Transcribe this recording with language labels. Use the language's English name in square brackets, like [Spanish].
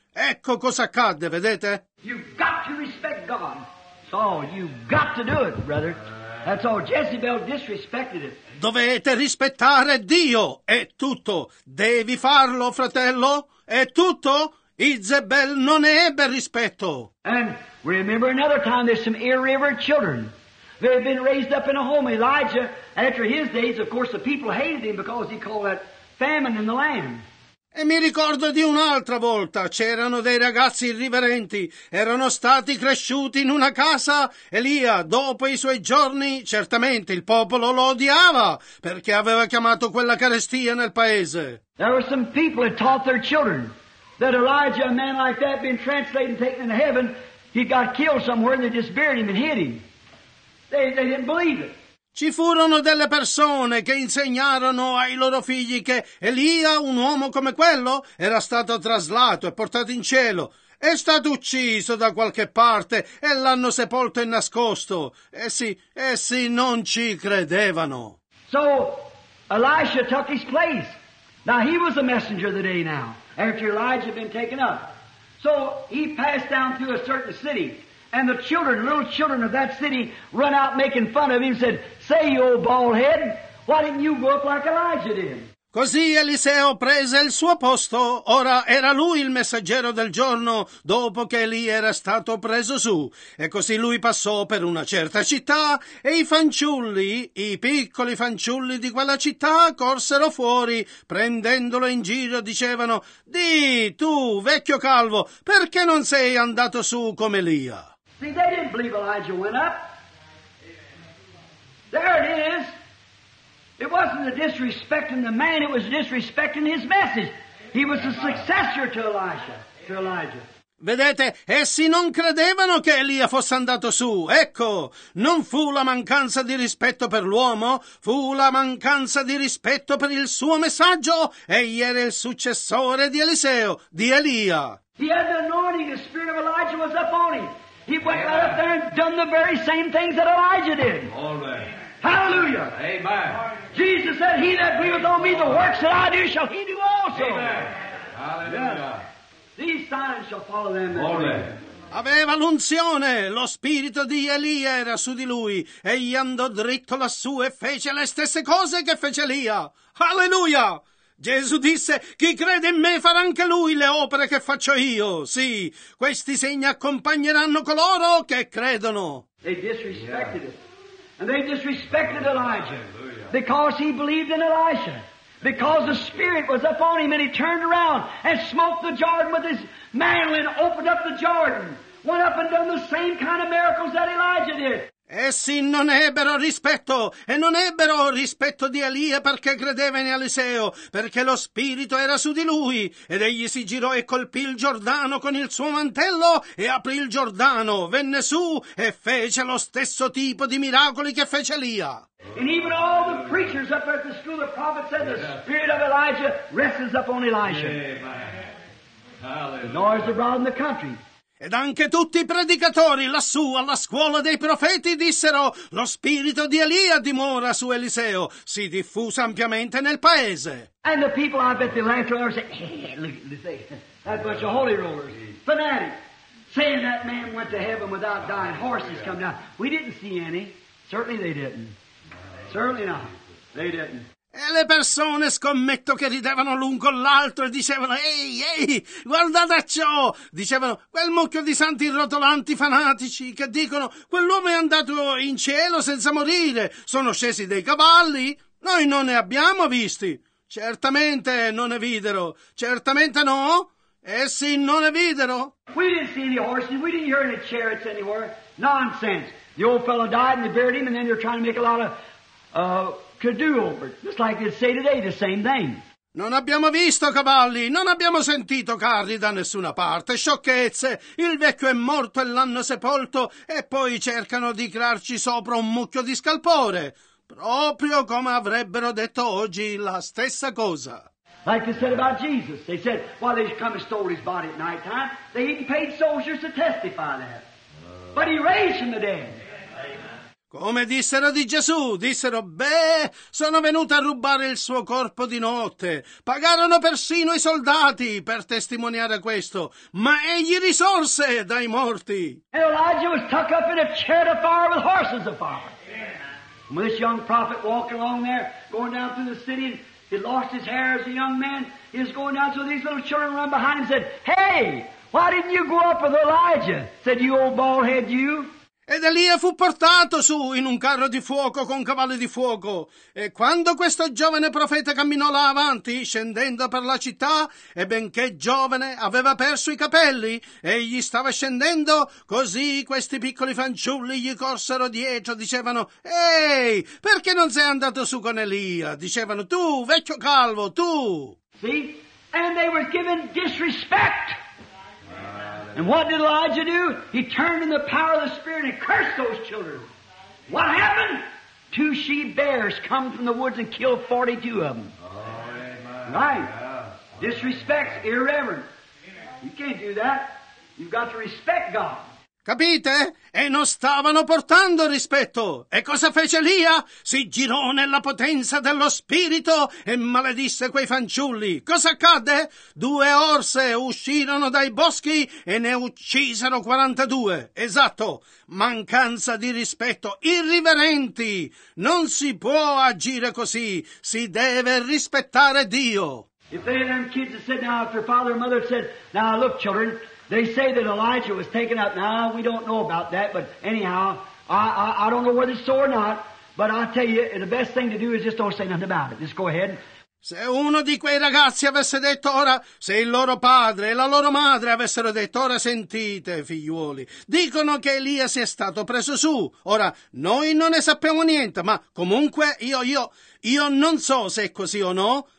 [Italian] Ecco cosa accadde, vedete? [English] You've got to respect God. So you've got to do it, brother. That's all. Jezebel disrespected it. [Italian] Dovete rispettare Dio, è tutto. Devi farlo, fratello, è tutto. Izebel non ebbe rispetto. [English] And remember another time there's some irreverent children. They had been raised up in a home. Elijah, after his days, of course, the people hated him because he called that famine in the land. [Italian] E mi ricordo di un'altra volta, c'erano dei ragazzi irriverenti, erano stati cresciuti in una casa, Elia, dopo i suoi giorni, certamente il popolo lo odiava, perché aveva chiamato quella carestia nel paese. [English] There were some people that taught their children that Elijah, a man like that, being translated and taken into heaven, he got killed somewhere and they just buried him and hid him. They didn't believe it. [Italian] Ci furono delle persone che insegnarono ai loro figli che Elia, un uomo come quello, era stato traslato e portato in cielo. È stato ucciso da qualche parte e l'hanno sepolto e nascosto. Essi non ci credevano. [English] So, Elisha took his place. Now, he was the messenger of the day now, after Elijah had been taken up. So, he passed down through a certain city. And the children, little children of that city, run out making fun of him and said, "Say, you old bald head, why didn't you grow up like Elijah did?" [Italian] Così Eliseo prese il suo posto. Ora era lui il messaggero del giorno, dopo che Elia era stato preso su. E così lui passò per una certa città, e i fanciulli, i piccoli fanciulli di quella città, corsero fuori, prendendolo in giro, dicevano, "Di, tu, vecchio calvo, perché non sei andato su come Elia?" [English] See, they didn't believe Elijah went up. There it is. It wasn't a disrespecting the man, it was disrespecting his message. He was the successor to Elijah. [Italian] Vedete, essi non credevano che Elia fosse andato su. Ecco, non fu la mancanza di rispetto per l'uomo, fu la mancanza di rispetto per il suo messaggio. Egli era il successore di Eliseo, di Elia. [English] He had the anointing, the spirit of Elijah was up on him. He went right up there and done the very same things that Elijah did. Hallelujah. Amen. Jesus said, "He that believeth on me, the works that I do shall he do also." Amen. Hallelujah. These signs shall follow them. Amen. [Italian] Aveva l'unzione, lo spirito di Elia era su di lui, egli andò dritto lassù e fece le stesse cose che fece Elia. Alleluia! Gesù disse, chi crede in me farà anche lui le opere che faccio io. Sì, questi segni accompagneranno coloro che credono. [English] They disrespected it. And they disrespected Elijah. Because he believed in Elisha. Because the Spirit was upon him and he turned around and smote the Jordan with his mantle and opened up the Jordan. Went up and done the same kind of miracles that Elijah did. [Italian] Essi non ebbero rispetto, e non ebbero rispetto di Elia perché credeva in Eliseo, perché lo spirito era su di lui, ed egli si girò e colpì il Giordano con il suo mantello, e aprì il Giordano, venne su, e fece lo stesso tipo di miracoli che fece Elia. [English] And even all the preachers up at the school, the prophet said, the spirit of Elijah rests upon Elisha. Amen. The noise abroad in the country. [Italian] Ed anche tutti i predicatori lassù alla scuola dei profeti dissero lo spirito di Elia dimora su Eliseo, si diffuse ampiamente nel paese. [English] And the people, I bet the lanterners say, that bunch of holy rollers, fanatic, saying that man went to heaven without dying, horses come down. We didn't see any. Certainly they didn't. Certainly not. They didn't. [Italian] E le persone, scommetto, che ridevano l'un con l'altro e dicevano, ehi, guardate ciò! Dicevano, quel mucchio di santi rotolanti fanatici che dicono, quell'uomo è andato in cielo senza morire, sono scesi dei cavalli, noi non ne abbiamo visti. Certamente non ne videro, certamente no, essi non ne videro. [English] We didn't see any horses, we didn't hear any chariots anywhere. Nonsense. The old fellow died and they buried him and then you're trying to make a lot of... Just like they say today, the same thing. [Italian] Non abbiamo visto cavalli, non abbiamo sentito carri da nessuna parte, sciocchezze. Il vecchio è morto e l'hanno sepolto e poi cercano di crearci sopra un mucchio di scalpore. Proprio come avrebbero detto oggi la stessa cosa. [English] Like they said about Jesus. They said, well, they come and stole his body at night time. They even paid soldiers to testify that. But he raised from the dead. [Italian] Come dissero di Gesù, dissero, beh, sono venuto a rubare il suo corpo di notte. Pagarono persino i soldati per testimoniare questo, ma egli risorse dai morti. [English] And Elijah was tucked up in a chariot of fire with horses of fire. When this young prophet walked along there, going down through the city, he lost his hair as a young man. He was going down, so these little children run behind him and said, hey, why didn't you go up with Elijah? Said, you old bald head, you. [Italian] Ed Elia fu portato su in un carro di fuoco con cavalli di fuoco. E quando questo giovane profeta camminò là avanti, scendendo per la città, e benché giovane aveva perso i capelli, egli stava scendendo, così questi piccoli fanciulli gli corsero dietro, dicevano: «Ehi, perché non sei andato su con Elia?» Dicevano: «Tu, vecchio calvo, tu!» [English] Sì, and they were given disrespect. And what did Elijah do? He turned in the power of the Spirit and cursed those children. What happened? Two she bears come from the woods and kill 42 of them. Oh, amen. Right. Yeah. Disrespect's irreverent. Amen. You can't do that. You've got to respect God. [Italian] Capite? E non stavano portando rispetto. E cosa fece Elia? Si girò nella potenza dello spirito e maledisse quei fanciulli. Cosa accadde? Due orse uscirono dai boschi e ne uccisero 42. Esatto, mancanza di rispetto, irriverenti. Non si può agire così. Si deve rispettare Dio. [English] If they and them kids had said, now, if their father and mother said, now, look, children, they say that Elijah was taken up. Now, we don't know about that, but anyhow, I don't know whether it's so or not, but I tell you, the best thing to do is just don't say nothing about it. Just go ahead. [Italian] Se uno di quei ragazzi avesse detto ora, se il loro padre e la loro madre avessero detto ora, sentite, figliuoli, dicono che Elia sia stato preso su. Ora, noi non ne sappiamo niente, ma comunque io non so se è così o no.